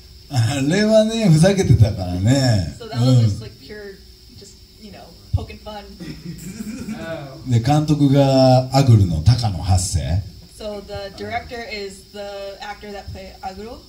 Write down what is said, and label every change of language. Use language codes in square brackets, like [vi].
[ja] あれはね、ふざけてたからね。 [en] So that was just like pure, just, you know, poking fun. [ja] で、監督がアグルの高野八世。 [en] So the director is the actor that played アグル。